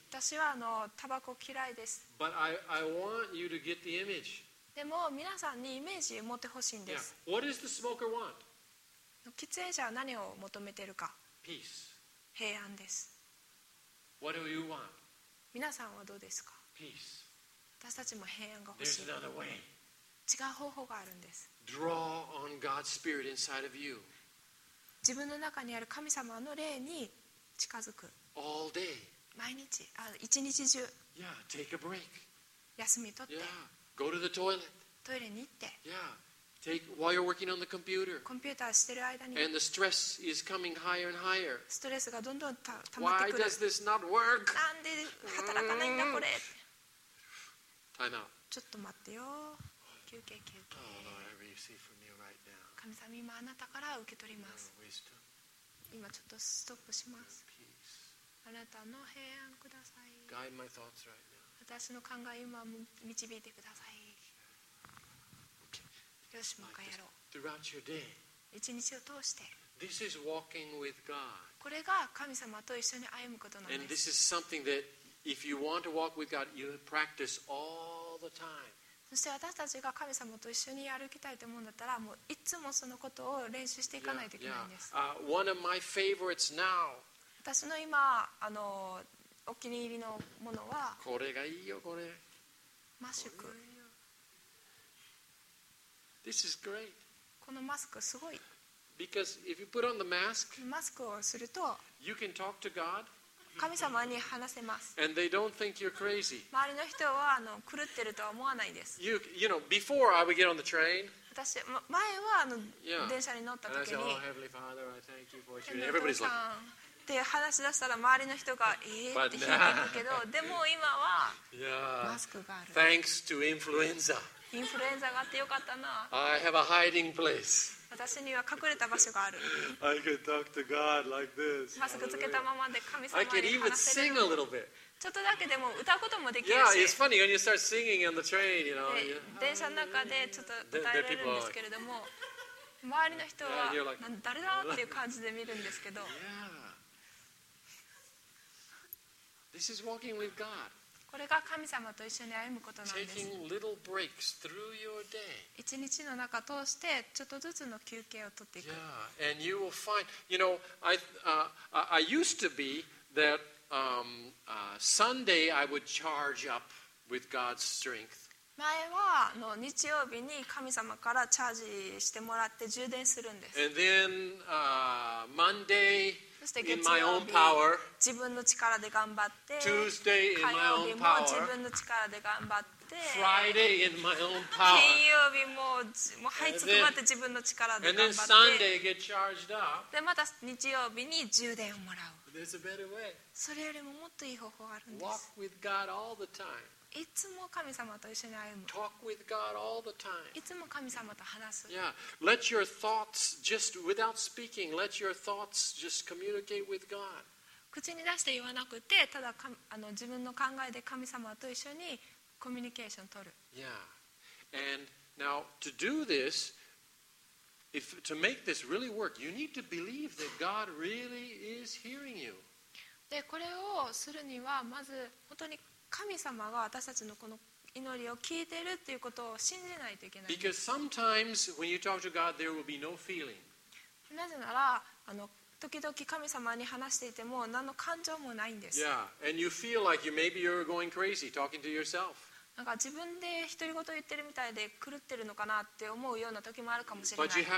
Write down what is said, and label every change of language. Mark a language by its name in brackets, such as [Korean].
[Japanese] 私はあのタバコ嫌いです。 [English] But I want you to get the image. [Japanese] でも皆さんにイメージ持ってほしいんです。 [English] Yeah. What does the smoker want? [Japanese] 喫煙者は何を求めているか。 [English] Peace. [Japanese] 平安です。 [English] What do you want? [Japanese] 皆さんはどうですか。 [English] Peace. [Japanese] 私たちも平安が欲しい。違う方法があるんです。 [English] Draw on God's Spirit inside of you. [Japanese] 自分の中にある神様の霊に近づく。 [English] All day. [Japanese] 毎日、あ、一日中。 [English] Yeah, take a break. [Japanese] 休み取って。 [English] Yeah, go to the toilet. [Japanese] トイレに行って。 [English] Yeah, take while you're working on the computer. [Japanese] コンピューターしてる間に。 [English] And the stress is coming higher and higher. [Japanese] ストレスがどんどん溜まってくる。 [English] Why does this not work? [Japanese] なんで働かないんだこれ。 [English] Time out. [Japanese] ちょっと待ってよ。休憩休憩。 [English] Oh, Lord, I receive from you right now. [Japanese] 神様、今あなたから受け取ります。今ちょっとストップします。あなたの平安ください。 [English] Guide my thoughts right now. [Japanese] 私の考え今導いてください。 [English] Okay. [Japanese] よし、もう一回やろう。 [English] Throughout your day. [Japanese] 一日を通して。 [English] This is walking with God. [Japanese] これが神様と一緒に歩むことなんです。 [English] And this is something thatIf you want to walk with God, you practice all the time. [Japanese] そして私たちが神様と一緒に歩きたいと思うんだったら、もういつもそのことを練習していかないといけないんです。 [English] Yeah, yeah. One of my favorites now. [Japanese] 私の今あのお気に入りのものは、これがいいよこれ。マスク。 [English] This is great. [Japanese] このマスクすごい。 [English] Because if you put on the mask, [Japanese] マスクをすると、 [English] you can talk to God. [Japanese] 神様に話せます。 [English] And they don't think you're crazy. [Japanese] 周りの人はあの狂ってるとは思わないです。 [English] You know, before I would get on the train. [Japanese] 私、前はあの、 [English] yeah. [Japanese] 電車に乗った時に、 [English] Oh, Heavenly Father, I thank you for your... Everybody's like, [Japanese] って話し出したら周りの人がって聞いてるけど、でも今はマスクがある。 [English] Thanks to influenza. [Japanese] インフルエンザがあってよかったな。 [English] I have a hiding place. [Japanese] 私には隠れた場所がある。 [English] I can talk to God like this. [Japanese] マスクつけたままで神様に話せる。 [English] I can even sing a little bit. [Japanese] ちょっとだけでも歌うこともできるし。 [English] Yeah, it's funny when you start singing on the train, you know. [Japanese] 電車の中でちょっと歌えるんですけれども、周りの人は誰だっていう感じで見るんですけど。 [English] This is walking with God. [Japanese] これが神様と一緒に歩むことなんです。 [English] Taking little breaks through your day. [Japanese] 一日の中通してちょっとずつの休憩を取っていく。 [English] Yeah, and you will find, you know, I used to be that. Sunday I would charge up with God's strength. [Japanese] 前は日曜日に神様からチャージしてもらって充電するんです。 [English] And then Monday in my own power. [Japanese] 自分の力で頑張って。 [English] Tuesday in my own power. [Japanese] 自分の力で頑張って。 [English] Friday in my own power. [Japanese] 金曜日もはいつくばって自分の力で頑張って。 [English] And then Sunday get charged up. [Japanese] でまた日曜日に充電をもらう。 [English] There's a better way. [Japanese] それよりももっといい方法があるんです。 [English] Walk with God all the time. [Japanese] いつも神様と一緒に歩む。 [English] Talk with God all the time. [Japanese] いつも神様と話す。 [English] Yeah. Let your thoughts just without speaking. Let your thoughts just communicate with God. [Japanese] 口に出して言わなくて、ただ自分の考えで神様と一緒にコミュニケーションを取る。 [English] Yeah. And now to do this. If, to make this really work, you need to believe that God really is hearing you. [Japanese] で、これをするにはまず本当に神様が私たちのこの祈りを聞いてるっていうことを信じないといけない。 [English] Because sometimes when you talk to God, there will be no feeling. [Japanese] なぜなら時々神様に話していても何の感情もないんです。 [English] Yeah, and you feel like you maybe you're going crazy talking to yourself. [Japanese] なんか自分で独り言言ってるみたいで狂ってるのかなって思うような時もあるかもしれない。